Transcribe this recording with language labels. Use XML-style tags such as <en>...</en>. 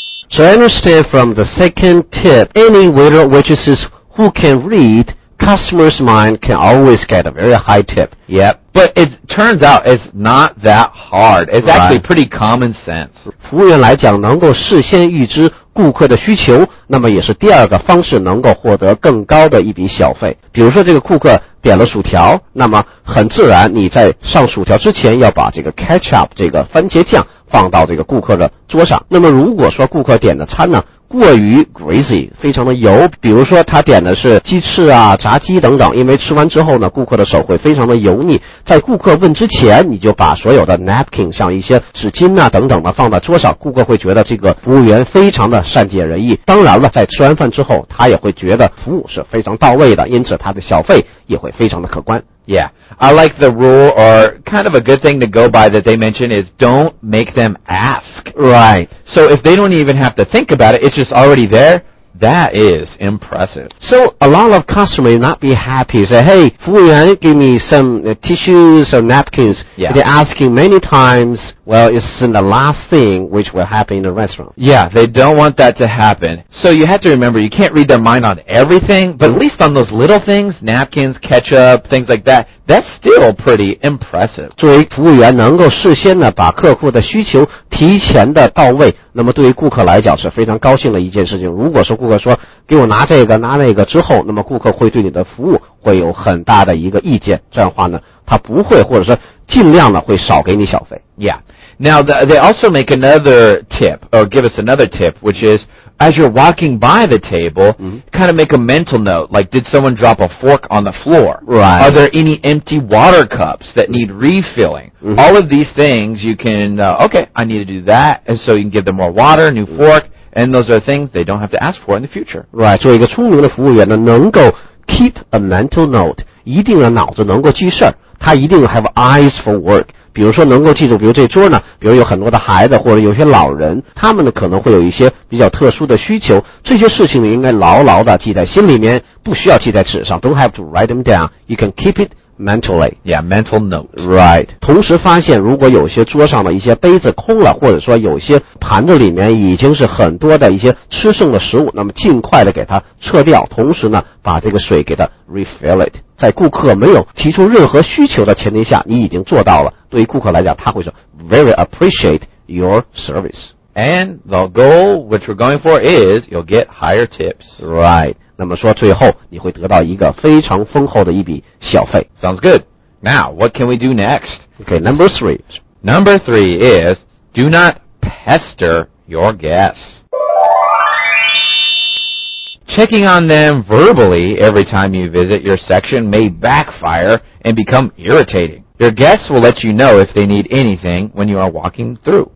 <en>So I understand from the second tip, any waiter or waitresses who can readCustomer's mind can always get a very high tip. Yep. But it turns out it's not that hard. It's actually pretty common sense.</en> <zh>服务员来讲能够事先预知顾客的需求，那么也是第二个方式能够获得更高的一笔小费。比如说这个顾客点了薯条，那么很自然你在上薯条之前要把这个 ketchup 这个番茄酱放到这个顾客的桌上。那么如果说顾客点的餐呢过于 greasy, 非常的油，比如说他点的是鸡翅啊、炸鸡等等，因为吃完之后呢，顾客的手会非常的油腻。在顾客问之前，你就把所有的 napkin 像一些纸巾啊等等的放在桌上，顾客会觉得这个服务员非常的善解人意。当然了，在吃完饭之后，他也会觉得服务是非常到位的，因此他的小费也会非常的可观。</zh> <en>Yeah, I like the rule or kind of a good thing to go by that they mention is don't make them ask. Right. So if they don't even have to think about it, it's just already there. That is impressive. So a lot of customers may not be happy. Say, hey, 服务员, give me some tissues or napkins. Yeah. They're asking many times, well, it's the last thing which will happen in the restaurant. Yeah, they don't want that to happen. So you have to remember, you can't read their mind on everything, but at least on those little things, napkins, ketchup, things like that, that's still pretty impressive.</en> <zh>作为服务员能够事先呢把客户的需求提前的到位，那么对于顾客来讲是非常高兴的一件事情。如果说顾客说给我拿这个拿那个之后，那么顾客会对你的服务会有很大的一个意见，这样的话呢他不会或者说尽量的会少给你小费。</zh> <en>Yeah. Now they also make another tip or give us another tip, which is as you're walking by the table, kind of make a mental note, like did someone drop a fork on the floor? Right. Are there any empty water cups that need refilling? Mm-hmm. All of these things you can, okay, I need to do that, and so you can give them more water, new fork, and those are things they don't have to ask for in the future. Right,</en> <zh>作为一个聪明的服务员呢，能够</zh> <en>keep a mental note,</en> <zh>一定的脑子能够记事，他一定</zh> <en>have eyes for work,</en> <zh>比如说能够记住，比如这桌呢，比如有很多的孩子或者有些老人，他们呢可能会有一些比较特殊的需求，这些事情呢应该牢牢的记在心里面，不需要记在纸上。</zh> <en>Don't have to write them down. You can keep it mentally. Yeah, mental note. Right.</en> <zh>同时发现如果有些桌上的一些杯子空了，或者说有些盘子里面已经是很多的一些吃剩的食物，那么尽快的给它撤掉，同时呢把这个水给它</zh> <en>refill it。</en> <zh>在顾客没有提出任何需求的前提下，你已经做到了。对于顾客来讲，他会说</zh> <en>very appreciate your service. And the goal which we're going for is you'll get higher tips. Right.</en> <zh>那么说最后你会得到一个非常丰厚的一笔小费。</zh> <en>Sounds good. Now, what can we do next? Okay, number three. Number three is do not pester your guests. Checking on them verbally every time you visit your section may backfire and become irritating. Your guests will let you know if they need anything when you are walking through.</en>